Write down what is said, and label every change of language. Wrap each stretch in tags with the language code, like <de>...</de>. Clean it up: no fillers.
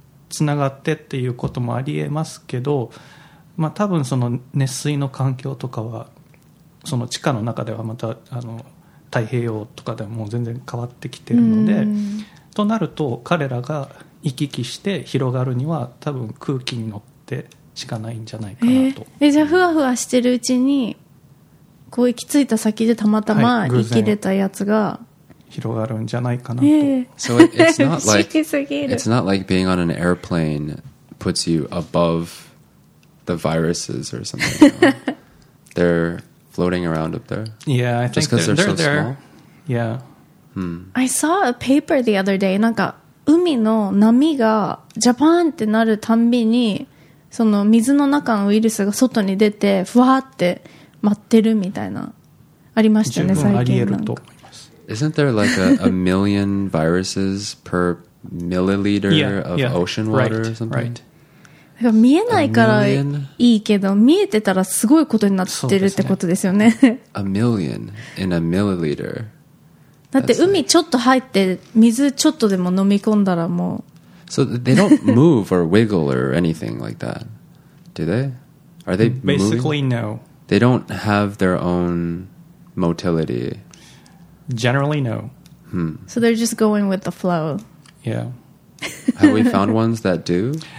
<ja>つながってっていうこともありえますけど、まあ、多分その熱水の環境とかはその地下の中ではまたあの太平洋とかでも全然変わってきているので、となると彼らが行き来して広がるには多分空気に乗ってしかないんじゃないかなと、じゃあふわふわしてるうちにこう行き着いた先でたまたま生きれたやつが、はい、広がるんじゃないかなと、</ja> <en>So it's not like,</en> <ja>不思議すぎる。</ja> <en>It's not like being on an airplane puts you above the viruses or something, you know? They're floating around up there. Yeah, I think they're so small. Yeah. I saw a paper the other day,</en> <ja>なんか海の波がジャパンってなるたんびにその水の中のウイルスが外に出てふわって舞ってるみたいな、ありましたね、最近。十分あり得ると思います。</ja> <en>Isn't there like a million viruses per milliliter of ocean water or something? Right.</en> <ja>だから見えないからいいけど、見えてたらすごいことになってるってことですよね。</ja> <en>A million in a milliliter。</en> <ja>だって海ちょっと入って水ちょっとでも飲み込んだらもう。</ja> <en>So they don't move or wiggle or anything like that, do they? Are they basically moving? No. They don't have their own motility. Generally, no. So they're just going with the flow. Yeah. Have we found ones that do?</en>